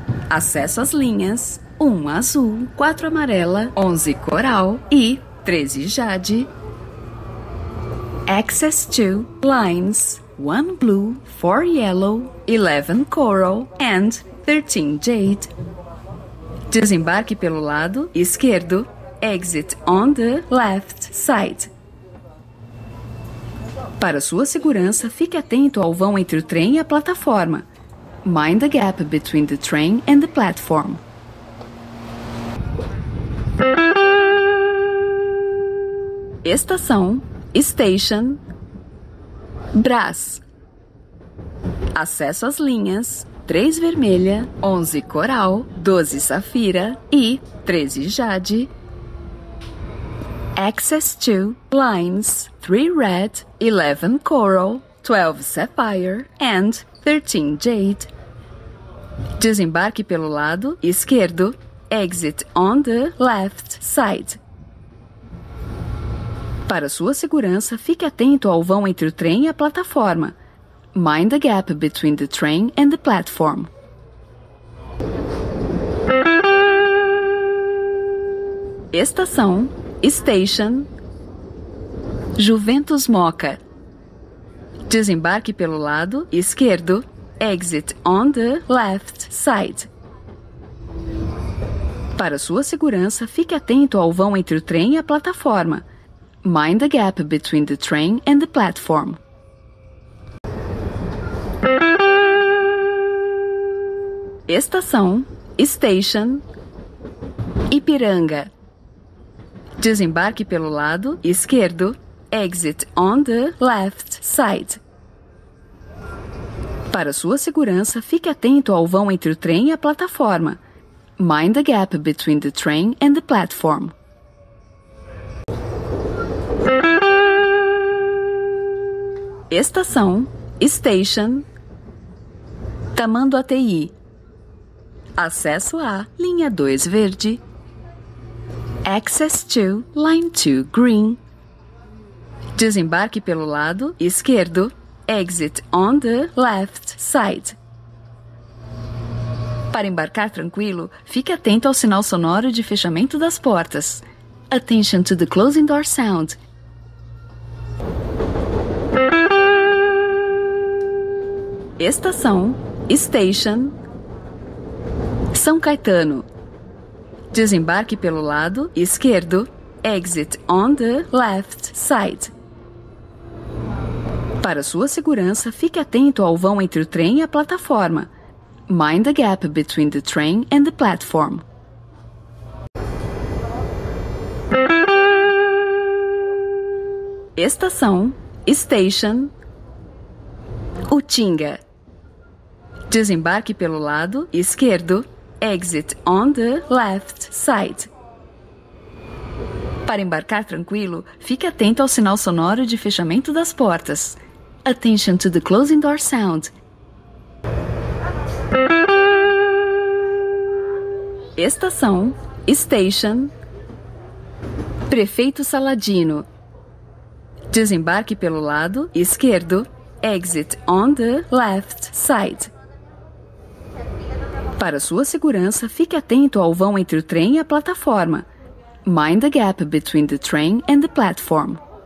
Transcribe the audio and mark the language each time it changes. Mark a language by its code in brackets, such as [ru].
[pt] Acesso às linhas 1 Azul, 4 Amarela, 11 Coral e 13 Jade. [en] Access to lines 1 Blue, 4 Yellow, 11 Coral and 13 Jade. [pt] Desembarque pelo lado esquerdo. [en] Exit on the left side. [pt] Para sua segurança, fique atento ao vão entre o trem e a plataforma. [en] Mind the gap between the train and the platform. [pt] Estação, Station, Brás. Acesso às linhas 3 Vermelha, 11 Coral, 12 Safira e 13 Jade. [en] Access to lines 3 Red, 11 Coral, 12 Sapphire and 13 Jade. [pt] Desembarque pelo lado esquerdo. [en] Exit on the left side. [pt] Para sua segurança, fique atento ao vão entre o trem e a plataforma. [en] Mind the gap between the train and the platform. [pt] Estação, Station, Juventus Mocha. Desembarque pelo lado esquerdo. [en] Exit on the left side. [pt] Para sua segurança, fique atento ao vão entre o trem e a plataforma. [en] Mind the gap between the train and the platform. [pt] Estação, Station, Ipiranga. Desembarque pelo lado esquerdo. [en] Exit on the left side. [pt] Para sua segurança, fique atento ao vão entre o trem e a plataforma. [en] Mind the gap between the train and the platform. [pt] Estação, Station, Tamanduateí. Acesso à linha 2 verde. [en] Access to line 2 green. [pt] Desembarque pelo lado esquerdo. [en] Exit on the left side. [pt] Para embarcar tranquilo, fique atento ao sinal sonoro de fechamento das portas. [en] Attention to the closing door sound. [pt] Estação, Station, São Caetano. Desembarque pelo lado esquerdo. [en] Exit on the left side. [pt] Para sua segurança, fique atento ao vão entre o trem e a plataforma. [en] Mind the gap between the train and the platform. [pt] Estação, Station, Utinga. Desembarque pelo lado esquerdo. [en] Exit on the left side. [pt] Para embarcar tranquilo, fique atento ao sinal sonoro de fechamento das portas. [en] Attention to the closing door sound. [pt] Estação, Station, Prefeito Saladino. Desembarque pelo lado esquerdo. [en] Exit on the left side. [pt] Para sua segurança, fique atento ao vão entre o trem e a plataforma. [en] Mind the gap between the train and the platform.